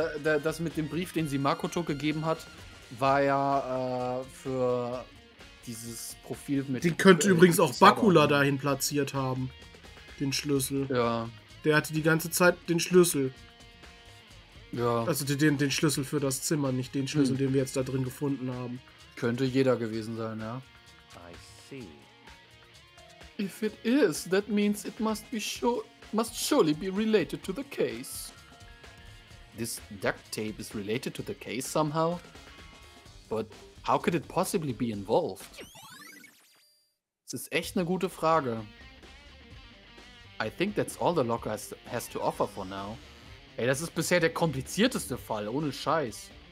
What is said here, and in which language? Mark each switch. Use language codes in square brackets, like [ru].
[de] Das mit dem Brief, den sie Makoto gegeben hat, war ja für dieses Profil mit... Den könnte übrigens auch Bakula dahin platziert haben. Den Schlüssel. Ja. Der hatte die ganze Zeit den Schlüssel. Ja. Also den Schlüssel für das Zimmer, nicht den Schlüssel, den wir jetzt da drin gefunden haben. Könnte jeder gewesen sein, ja. [en] I see. If it is, that means it must surely be related to the case. This duct tape is related to the case somehow? But how could it possibly be involved? [de] Das ist echt eine gute Frage. [en] I think that's all the locker has to offer for now. [de] Ey, das ist bisher der komplizierteste Fall, ohne Scheiß.